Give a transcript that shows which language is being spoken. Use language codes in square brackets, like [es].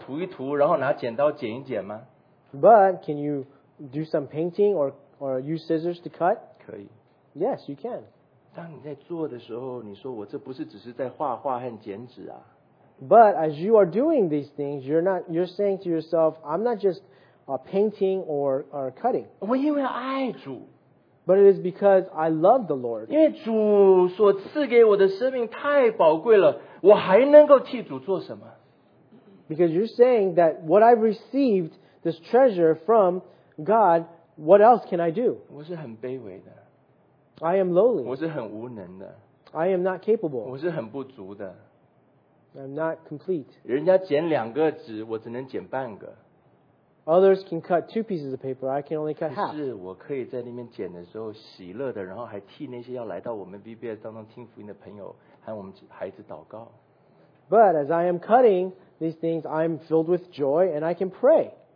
[zh] 可是你可以拿颜色笔在纸上涂一涂，然后拿剪刀剪一剪吗？ [en] But can you do some painting or use scissors to cut? [zh] 可以。 [en] Yes, you can. [zh] 当你在做的时候，你说我这不是只是在画画和剪纸啊。 [en] But as you are doing these things, you're saying to yourself, I'm not just painting or cutting. [zh] 我因为爱主。 [en] But it is because I love the Lord. [zh] 因为主所赐给我的生命太宝贵了。我还能够替主做什么? [en] Because you're saying that what I've received this treasure from God, what else can I do? [zh] 我是很卑微的, [en] I am lowly. [zh] 我是很无能的, [en] I am not capable. [zh] 我是很不足的, [en] I'm not complete. [zh] 人家剪两个纸, 我只能剪半个, [en] others can cut two pieces of paper, I can only cut half. [zh] 是我可以在那边剪的时候, 喜乐的, 然后还替那些要来到我们VBS当中听福音的朋友, 和我们孩子祷告。 [en] But as I am cutting these things, I'm filled with joy and I can pray.